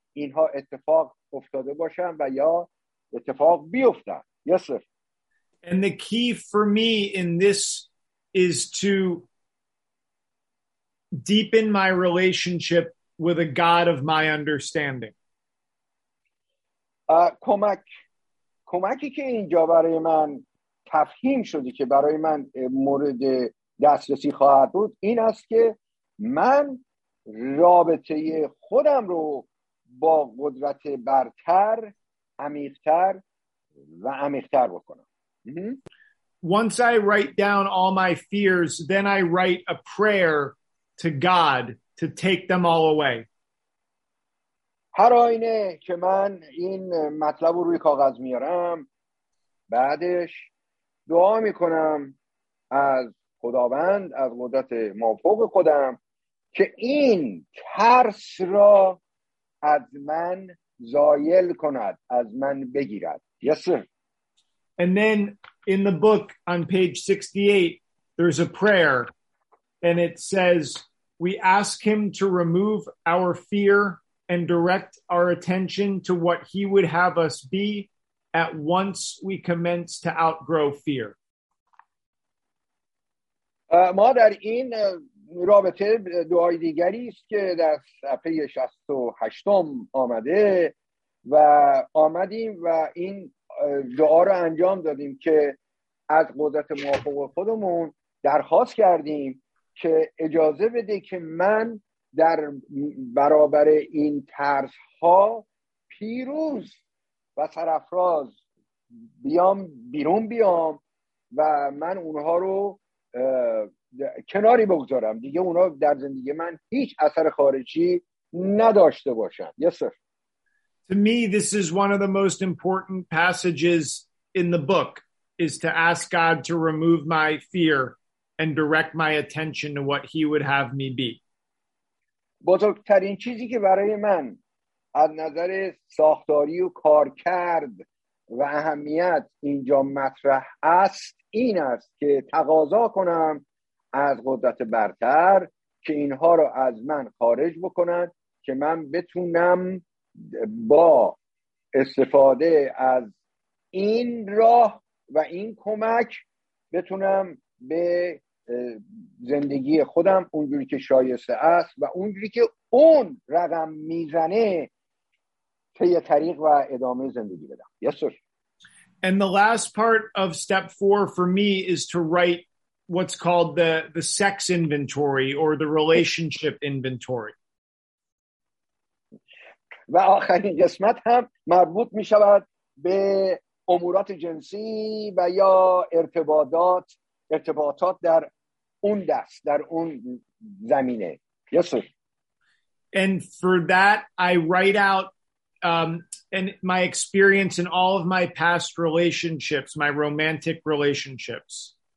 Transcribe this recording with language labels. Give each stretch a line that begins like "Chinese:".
Persian: اینها اتفاق افتاده باشن و یا اتفاق بیفتن.
English: Yes, sir. And the key for me in this is to deepen my relationship with a God of my understanding.
Persian: کمکی که اینجا برای من تفهیم شده که برای من مورد دسترسی خواهد بود این است که من رابطه خودم رو با قدرت برتر عمیق‌تر و عمیق‌تر بکنم.
English: Once I write down all my fears, then I write a prayer to God to take them all away.
Persian: هر آینه که من این مطلب رو روی کاغذ میارم بعدش دعا میکنم از خداوند از قدرت مافوق خودم که این ترس را از من زایل کند از من بگیرد.
English: Yes, sir. And then in the book on page 68 there's a prayer and it says we ask him to remove our fear and direct our attention to what he would have us be at once we commence to outgrow fear.
Persian: ما در این رابطه دعای دیگری است که در صفحه 68 آمده و آمدیم و این دعا رو انجام دادیم که از قدرت موافق خودمون درخواست کردیم که اجازه بده که من در برابر این ترس ها پیروز و سرافراز بیام بیرون بیام و من اونها رو کناری بگذارم دیگه اونها در زندگی من هیچ اثر خارجی نداشته باشن.
English: Yes, sir. To me this is one of the most important passages in the book is to ask God to remove my fear and direct my attention to what he would have me be.
Persian: بزرگترین چیزی که برای من از نظر ساختاری و کار کرد و اهمیت اینجا مطرح است این است که تقاضا کنم از قدرت برتر که اینها رو از من خارج بکنند که من بتونم با استفاده از این راه و این کمک بتونم به زندگی خودم اونجوری که شایسته است و اونجوری که اون رقم میزنه طی طریق و ادامه زندگی بدم.
English: Yes, sir. And the last part of step 4 for me is to write what's called the sex inventory or the relationship inventory.
Persian: و آخرین قسمت هم مربوط می شود به امورات جنسی و یا ارتباطات در اون دست در اون زمینه.
English: Yes, sir. And for that I write out and my experience in all of my past relationships, my romantic relationships.